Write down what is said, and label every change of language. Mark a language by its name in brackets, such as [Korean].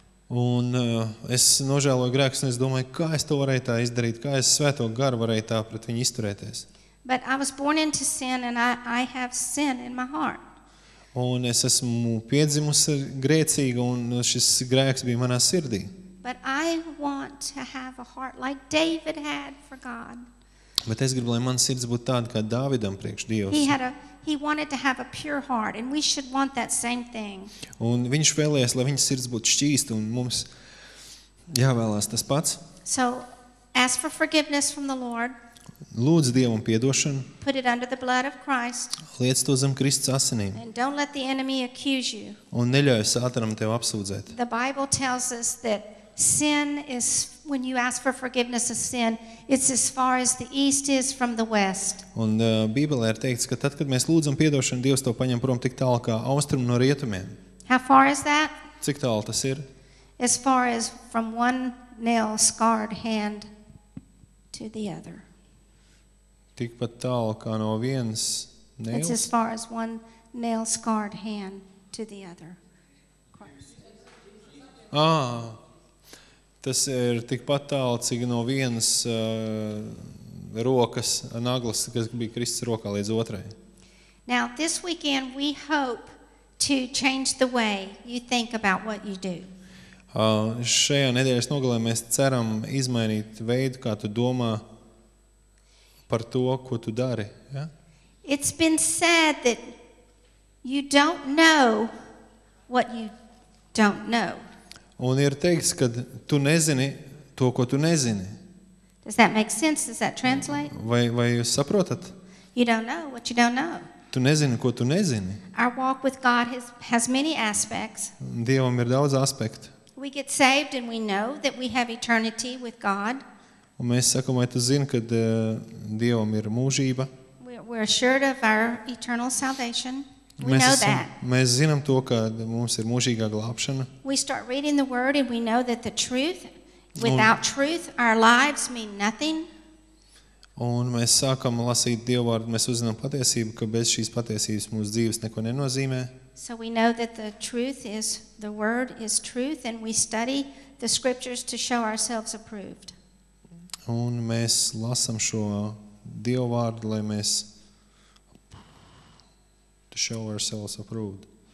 [Latvian] Un es nožēloju grēkus, es domāju, kā es to varēju tā izdarīt, kā es Svēto Garu varēju tā pret viņu izturēties. [English] But I was born into sin and I have sin in my heart. [Latvian] Un es esmu piedzimusi grēcīga un šis grēks bija manā sirdī. [English] But I want to have a heart like David had for God. [Latvian] Bet es gribu, lai mans sirds būtu tāda kā Dāvidam priekš Dievs. [English] He wanted to have a pure heart and we should want that same thing. [Latvian] Un viņš vēlējās, lai viņa sirds būtu šķīsta un mums jāvēlās tas pats. [English] So ask for forgiveness from the Lord. [Latvian] Lūdz Dievu un piedošanu. [English] Put it under the blood of Christ. [Latvian] Liec to zem Kristus asinīm. [English] And don't let the enemy accuse you. [Latvian] Un neļauj Sātanam tev apsūdzēt. [English] The Bible tells us that sin is when you ask for forgiveness of sin, it's as far as the east is from the west. [Latvian] Un Bībelē ir teikts, ka tad, kad mēs lūdzam piedošanu, Dievs to paņem prom tik tālu kā austrumu no rietumiem. [English] How far is that? [Latvian] Cik tālu tas ir? [English] As far as from one nail scarred hand to the other. [Latvian] Tik pat tālu kā no vienas nails. [English] It's as far as one nail scarred hand to the other. Ah. [Latvian] Tas ir tik pat tālu, cik no vienas rokas naglas, kas bija Kristus rokā līdz otrai. [English] Now this weekend we hope to change the way you think about what you do. [Latvian] Šajā nedēļas nogalē mēs ceram izmainīt veidu, kā tu domā par to, ko tu dari, ja? [English] It's been said that you don't know what you don't know. [Latvian] Un ir teiks, kad tu nezini to, ko tu nezini. [English] Does that make sense? Does that translate? [Latvian] Vai jūs saprotat? [English] You don't know what you don't know. [Latvian] Tu nezini, ko tu nezini. [English] Our walk with God has many aspects. [Latvian] Dievam ir daudz aspektu. [English] We get saved and we know that we have eternity with God. [Latvian] Un mēs sakam, vai tu zini, kad Dievam ir mūžība? [English] We're assured of our eternal salvation. [Latvian] Mēs zinām to, ka mums ir mūžīgā glābšana. [English] We start reading the word and we know that the truth without truth our lives mean nothing. [Latvian] Un mēs sākam lasīt Dieva vārdu, mēs uzzinām patiesību, ka bez šīs patiesības mūsu dzīves neko nenozīmē. [English] So we know that the truth is the word is truth and we study the scriptures to show ourselves approved. [Latvian] Un mēs lasām šo Dieva vārdu, lai mēs [English] show ourselves approved.